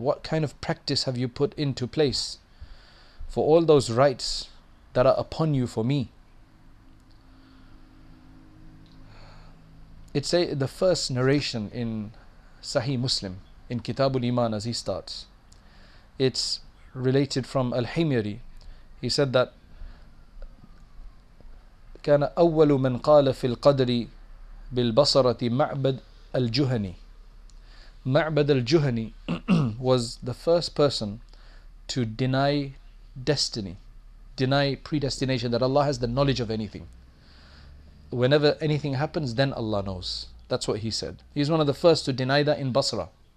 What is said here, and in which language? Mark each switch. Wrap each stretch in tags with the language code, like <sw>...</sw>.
<en>What kind of practice have you put into place for all those rights that are upon you for me? It's the first narration in Sahih Muslim, in Kitab al-Iman, as he starts. It's related from Al-Himyari. He said that</en> <ar>كان أول من قال في القدر بالبصرة معبد الجهني.</ar> <en>معبد الجهني was the first person to deny destiny, deny predestination, that Allah has the knowledge of anything. whenever anything happens, then Allah knows. That's what he said. He's one of the first to deny that in Basra.</en>